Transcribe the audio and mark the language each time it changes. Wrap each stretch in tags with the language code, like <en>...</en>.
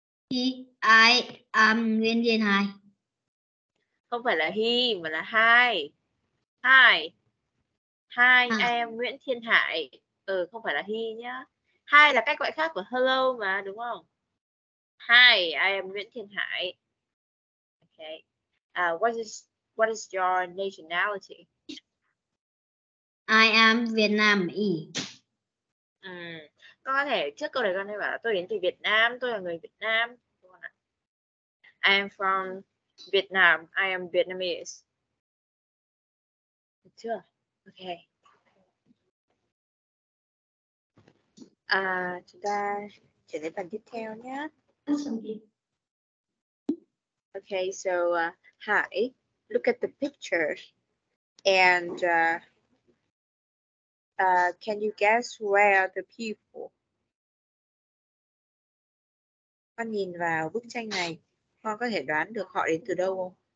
<en>He, I am Nguyễn Thiên Hải.</en> <vi>Không phải là he, mà là hi. Hi.</vi> <en>Hi, I am Nguyễn Thiên Hải.</en> <vi>Ừ, không phải là he nhá. Hi là cách gọi khác của hello mà, đúng không?</vi> <en>Hi, I am Nguyễn Thiên Hải. Okay. What is your nationality? I am Vietnamese.</en> <vi>Con có thể trước câu này con hay bảo là tôi đến từ Việt Nam, tôi là người Việt Nam.</vi> <en>I am from Vietnam. I am Vietnamese.</en> <vi>Được chưa? Okay. À, chúng ta chuyển đến phần tiếp theo nhé.</vi> <en>Okay, so hi, look at the picture, and can you guess where the people?</en> <vi>Con nhìn vào bức tranh này, con có thể đoán được họ đến từ đâu không?</vi>